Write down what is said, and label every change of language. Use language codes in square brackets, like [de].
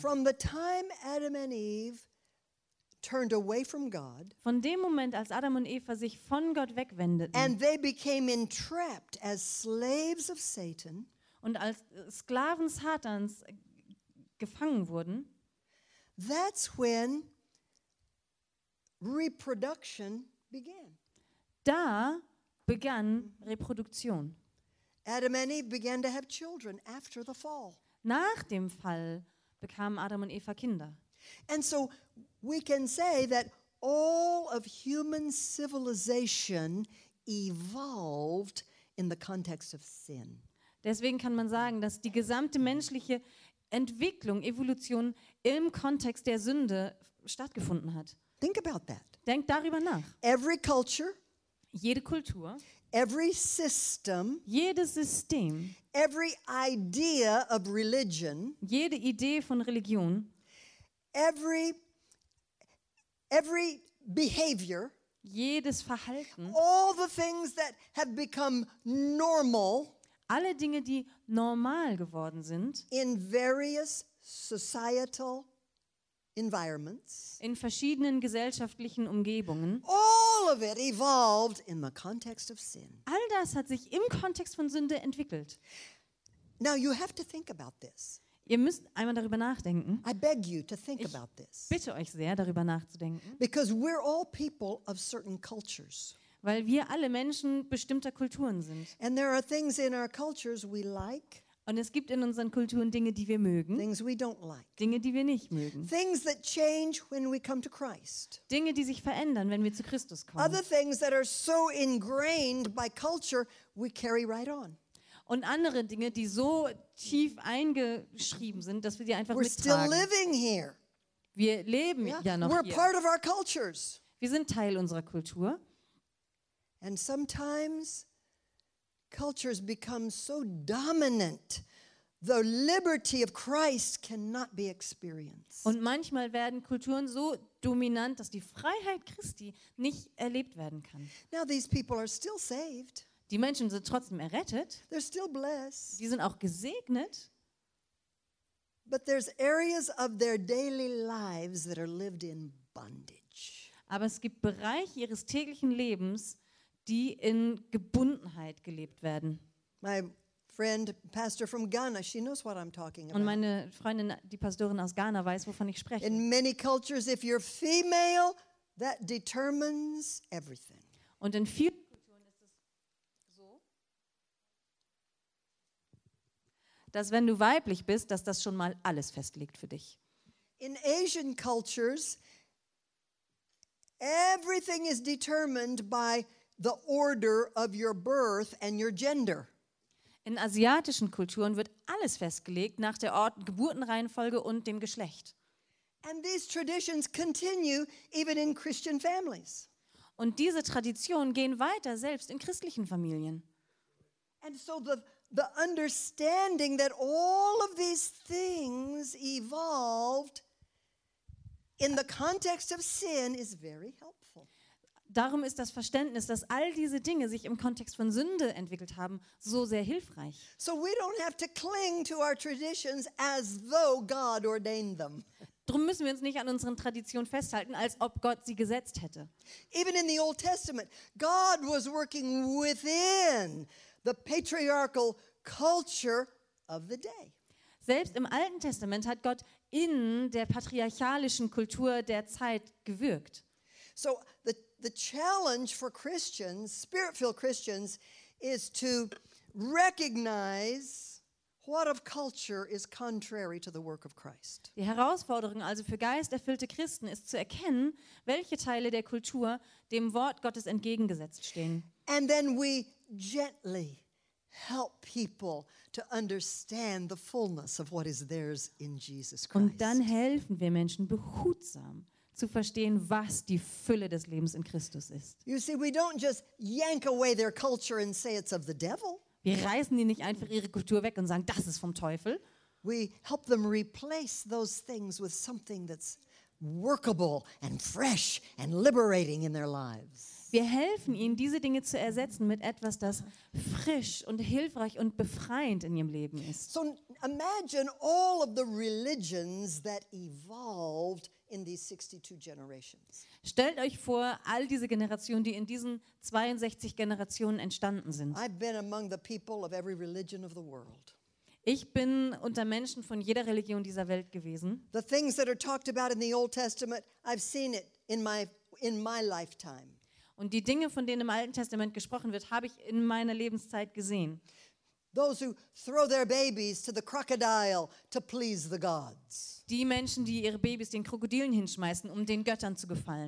[en] From the time Adam and Eve turned away from God. [de] Von dem Moment, als Adam und Eva sich von Gott wegwendeten. [en] And they became entrapped as slaves of Satan. [de] Und als Sklaven Satans gefangen wurden. [en] That's when reproduction began. [de] Da begann Reproduktion. [en] Adam and Eve began to have children after the fall. [de] Nach dem Fall bekamen Adam und Eva Kinder. [en] And so we can say that all of human civilization evolved in the context of sin. [de] Deswegen kann man sagen, dass die gesamte menschliche Entwicklung, Evolution im Kontext der Sünde stattgefunden hat. [en] Think about that. [de] Denk darüber nach. [en] Every culture, [de] jede Kultur, [en] every system, [de] jedes System, [en] every idea of religion, [de] jede Idee von Religion, [en] every behavior, [de] jedes Verhalten, [en] all the things that have become normal, [de] alle Dinge, die normal geworden sind, [en] in various societal environments, [de] in verschiedenen gesellschaftlichen Umgebungen, [en] all of it evolved in the context of sin. [de] All das hat sich im Kontext von Sünde entwickelt. [en] Now you have to think about this. [de] Ihr müsst einmal darüber nachdenken. [en] I beg you to think about this. [de] Ich bitte euch sehr, darüber nachzudenken. [en] Because we're all people of certain cultures. [de] Weil wir alle Menschen bestimmter Kulturen sind. [en] And there are things in our cultures we like. [de] Und es gibt in unseren Kulturen Dinge, die wir mögen. [en] Things we don't like. [de] Dinge, die wir nicht mögen. [en] Things that change when we come to Christ. [de] Dinge, die sich verändern, wenn wir zu Christus kommen. [en] Other things that are so ingrained by culture, we carry right on. [de] Und andere Dinge, die so tief eingeschrieben sind, dass wir die einfach [en] We're [de] mittragen. [en] Still living here. [de] Wir leben ja noch [en] We're [de] hier. [en] Part of our cultures. [de] Wir sind Teil unserer Kultur. [en] And sometimes cultures become so dominant, the liberty of Christ cannot be experienced. [de] Und manchmal werden Kulturen so dominant, dass die Freiheit Christi nicht erlebt werden kann. [en] Now these people are still saved. [de] Die Menschen sind trotzdem errettet. [en] They're still blessed. [de] Die sind auch gesegnet. [en] But there's areas of their daily lives that are lived in bondage. [de] Aber es gibt Bereiche ihres täglichen Lebens, die in Gebundenheit gelebt werden. [en] My friend, pastor from Ghana, she knows what I'm talking about. [de] Und meine Freundin, die Pastorin aus Ghana, weiß, wovon ich spreche. [en] In many cultures, if you're female, that determines everything. [de] Und in vielen Kulturen ist es so, dass wenn du weiblich bist, dass das schon mal alles festlegt für dich. [en] In Asian cultures, everything is determined by the order of your birth and your gender. [de] In asiatischen Kulturen wird alles festgelegt nach der Ort, Geburtenreihenfolge und dem Geschlecht. [en] And these traditions continue even in Christian families. [de] Und diese Traditionen gehen weiter selbst in christlichen Familien. [en] And so the understanding that all of these things evolved in the context of sin is very helpful. [de] Darum ist das Verständnis, dass all diese Dinge sich im Kontext von Sünde entwickelt haben, so sehr hilfreich. [en] So we don't have to cling to our traditions as though God ordained them. [de] Drum müssen wir uns nicht an unseren Traditionen festhalten, als ob Gott sie gesetzt hätte. [en] Even in the Old Testament, God was working within the patriarchal culture of the day. [de] Selbst im Alten Testament hat Gott in der patriarchalischen Kultur der Zeit gewirkt. [en] So the challenge for Christians, spirit-filled Christians, is to recognize what of culture is contrary to the work of Christ. [de] Die Herausforderung also für geisterfüllte Christen ist zu erkennen, welche Teile der Kultur dem Wort Gottes entgegengesetzt stehen. [en] And then we gently help people to understand the fullness of what is theirs in Jesus Christ. [de] Und dann helfen wir Menschen behutsam zu verstehen, was die Fülle des Lebens in Christus ist. [en] You see, we don't just yank away their culture and say it's of the devil. [de] Wir reißen die nicht einfach ihre Kultur weg und sagen, das ist vom Teufel. [en] We help them replace those things with something that's workable and fresh and liberating in their lives. [de] Wir helfen ihnen, diese Dinge zu ersetzen mit etwas, das frisch und hilfreich und befreiend in ihrem Leben ist. [en] So imagine all of the religions that evolved in these 62 generations. [de] Stellt euch vor, all diese Generationen, die in diesen 62 Generationen entstanden sind. [en] I've been among the people of every religion of the world. [de] Ich bin unter Menschen von jeder Religion dieser Welt gewesen. [en] The things that are talked about in the Old Testament, I've seen it in my lifetime. [de] Und die Dinge, von denen im Alten Testament gesprochen wird, habe ich in meiner Lebenszeit gesehen. [en] Those who throw their babies to the crocodile to please the gods. [de] Die Menschen, die ihre Babys den Krokodilen hinschmeißen, um den Göttern zu gefallen.